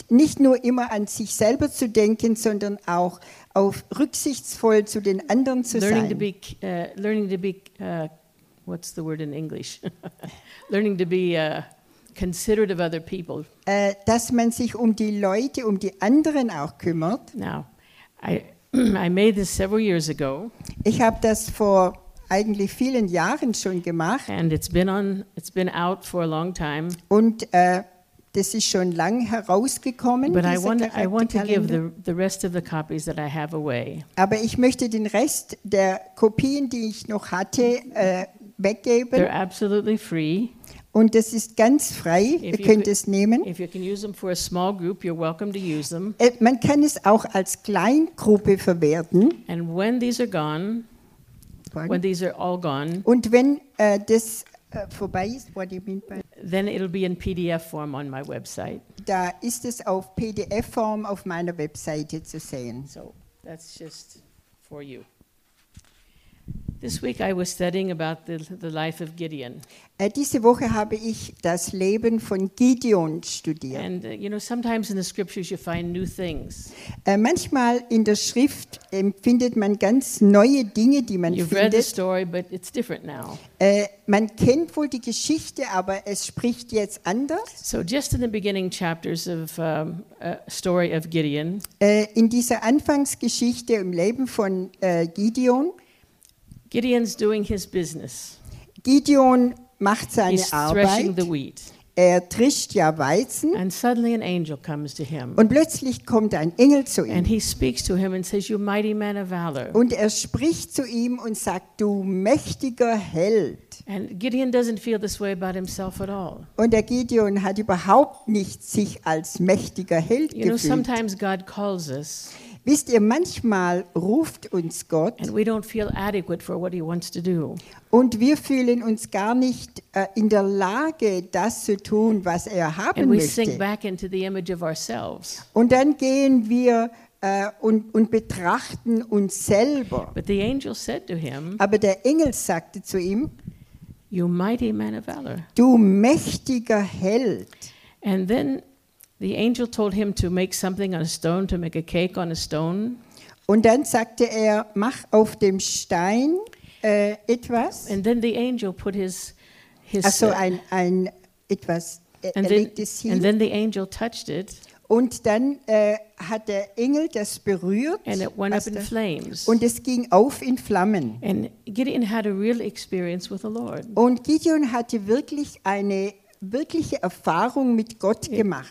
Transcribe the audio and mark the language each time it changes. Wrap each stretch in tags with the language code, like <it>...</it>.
<de>Nicht nur immer an sich selber zu denken, sondern auch auf rücksichtsvoll zu den anderen zu</de> <en>learning</en> <de>sein.</de> <en>What's the word in English? Learning to be considerate of other people.</en> <de>Dass man sich um die Leute, um die anderen auch kümmert.</de> <en>Now, I made this several years ago.</en> <de>Ich habe das vor eigentlich vielen Jahren schon gemacht.</de> <en>And it's been out for a long time.</en> <de>Und das ist schon lang herausgekommen.</de> <en>But I want to give the rest of the copies that I have away.</en> <de>Aber ich möchte den Rest der Kopien, die ich noch hatte, weggeben.</de> <en>They're absolutely free.</en> <de>Und das ist ganz frei. Ihr könnt es nehmen.</de> <en>If you can use them for a small group, you're welcome to use them.</en> <de>Man kann es auch als Kleingruppe verwerten.</de> <en>And when these are gone, pardon? When these are all gone.</en> <de>Und wenn das vorbei ist,</de> <en>what do you mean by? Then it'll be in PDF form on my website.</en> <de>Da ist es auf PDF Form auf meiner Webseite zu sehen.</de> <en>So that's just for you. This week I was studying about the life of Gideon.</en> <de>Diese Woche habe ich das Leben von Gideon studiert.</de> <en>And you know, sometimes in the scriptures you find new things.</en> <de>Manchmal in der Schrift empfindet man ganz neue Dinge, die man</de> <en>You've</en> <de>findet.</de> <en>You've read the story, but it's different now.</en> <de>Man kennt wohl die Geschichte, aber es spricht jetzt anders.</de> <en>So just in the beginning chapters of story of Gideon.</en> <de>In dieser Anfangsgeschichte im Leben von Gideon.</de> <en>Gideon's doing his business.</en> <de>Gideon macht seine</de> <en>He's threshing</en> <de>Arbeit.</de> <en>The wheat.</en> <de>Er trischt ja Weizen.</de> <en>And suddenly an angel comes to him.</en> <de>Und plötzlich kommt ein Engel zu ihm.</de> <en>And he speaks to him and says, "You mighty man of valor."</en> <de>Und er spricht zu ihm und sagt, du mächtiger Held.</de> <en>And Gideon doesn't feel this way about himself at all.</en> <de>Und der Gideon hat überhaupt nicht sich als mächtiger Held gefühlt.</de> <en>You know, sometimes God calls us.</en> <de>Wisst ihr, manchmal ruft uns Gott</de> <en>and we don't feel adequate for what he wants to do.</en> <de>Und wir fühlen uns gar nicht in der Lage, das zu tun, was er haben</de> <en>and we</en> <de>möchte.</de> <en>Sink back into the image of ourselves.</en> <de>Und dann gehen wir und betrachten uns selber.</de> <en>But the angel said to him,</en> <de>aber der Engel sagte zu ihm,</de> <en>you mighty man of valor.</en> <de>Du mächtiger Held. Und dann</de> <en>the angel told him to make something on a stone, to make a cake on a stone.</en> <de>Und dann sagte er, mach auf dem Stein etwas.</de> <en>And then the angel put his</en> <de>Ach so, ein etwas, er legte es hin.</de> <en>And then the angel touched it.</en> <de>Und dann hat der Engel das berührt.</de> <en>And it went up in flames.</en> <de>Und es ging auf in Flammen.</de> <en>And Gideon had a real experience with the Lord.</en> <de>Und Gideon hatte wirklich eine wirkliche Erfahrung mit Gott gemacht.</de>